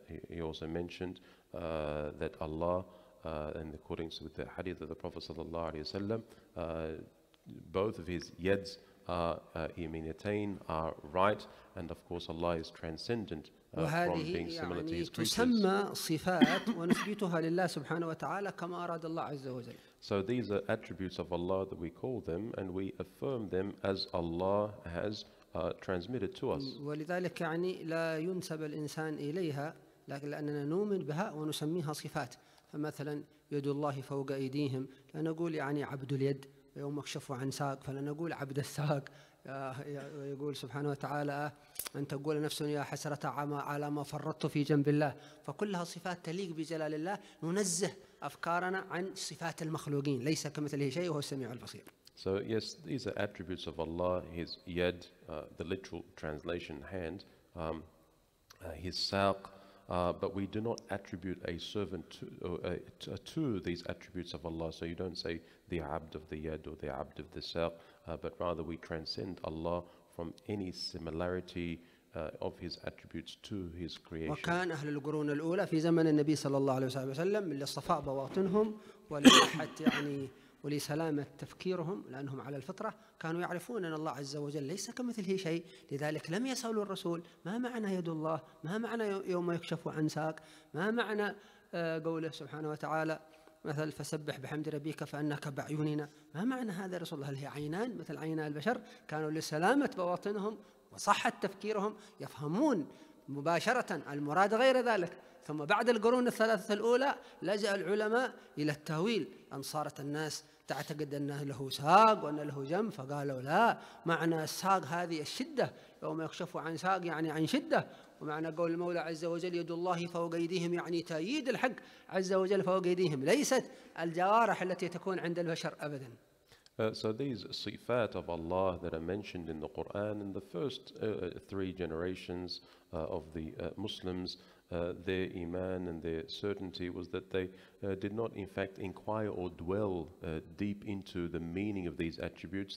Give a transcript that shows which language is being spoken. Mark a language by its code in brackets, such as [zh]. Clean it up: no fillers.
[en] He also mentioned that Allah, in accordance with the hadith of the Prophet sallallahu alaihi wasallam, both of his yads are yaminatain, are right, and of course Allah is transcendent from being similar to his creatures. [ar] تسمى صفات ونثبتها لله سبحانه وتعالى كما أراد الله عز وجل. [en] So these are attributes of Allah that we call them and we affirm them as Allah has transmitted to us. [ar] ولذلك يعني لا ينسب الإنسان إليها لكن لأننا نؤمن بها ونسميها صفات فمثلا يد الله فوق أيديهم لنقول يعني عبد اليد يوم اكشفوا عن ساق فلنقول عبد الساق يقول سبحانه وتعالى أن تقول نفس يا حسرة على ما فرطت في جنب الله فكلها صفات تليق بجلال الله ننزه أفكارنا عن صفات المخلوقين ليس كمثله شيء وهو السميع البصير. [en] So yes, these are attributes of Allah, his yad, the literal translation hand, his saq, but we do not attribute a servant to these attributes of Allah. So you don't say the abd of the yad or the abd of the saq, but rather we transcend Allah from any similarity of his attributes to his creation. [ar] وكان أهل القرون الأولى في زمن النبي صلى الله عليه وسلم للصفاء بواطنهم ولصحة يعني ولسلامة تفكيرهم لأنهم على الفطرة كانوا يعرفون أن الله عز وجل ليس كمثله شيء لذلك لم يسألوا الرسول ما معنى يد الله ما معنى يوم يكشف عن ساق ما معنى قوله سبحانه وتعالى مثل فسبح بحمد ربيك فأنك بعيوننا ما معنى هذا رسول الله هل هي عينان مثل عينا البشر كانوا لسلامة بواطنهم وصحة تفكيرهم يفهمون مباشرة المراد غير ذلك ثم بعد القرون الثلاثة الأولى لجأ العلماء إلى التأويل أن صارت الناس تعتقد أنه له ساق وأن له جنب فقالوا لا معنى الساق هذه الشدة يوم يكشفوا عن ساق يعني عن شدة ومعنى قول المولى عز وجل يد الله فوق أيديهم يعني تأييد الحق عز وجل فوق أيديهم ليست الجوارح التي تكون عند البشر أبدا. [en] So these sifat of Allah that are mentioned in the Quran in the first three generations of the Muslims, their iman and their certainty was that they did not in fact inquire or dwell deep into the meaning of these attributes.